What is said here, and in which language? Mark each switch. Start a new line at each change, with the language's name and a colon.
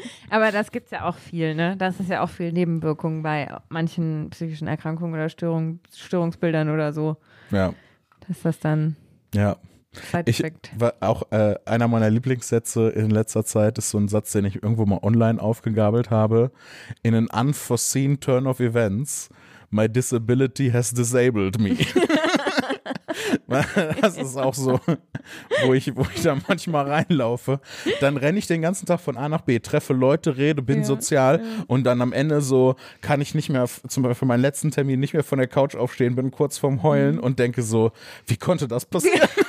German: Aber das gibt's ja auch viel, ne? Das ist ja auch viel Nebenwirkungen bei manchen psychischen Erkrankungen oder Störungsbildern oder so. Ja. Dass das dann. Ja. Ich war auch einer meiner Lieblingssätze in letzter Zeit ist so ein Satz, den ich irgendwo mal online aufgegabelt habe.
English: In an unforeseen turn of events, my disability has disabled me.
German: Das ist auch so, wo ich da manchmal reinlaufe. Dann renne ich den ganzen Tag von A nach B, treffe Leute, rede, bin sozial und dann am Ende so kann ich nicht mehr, zum Beispiel für meinen letzten Termin, nicht mehr von der Couch aufstehen, bin kurz vorm Heulen und denke so, wie konnte das passieren?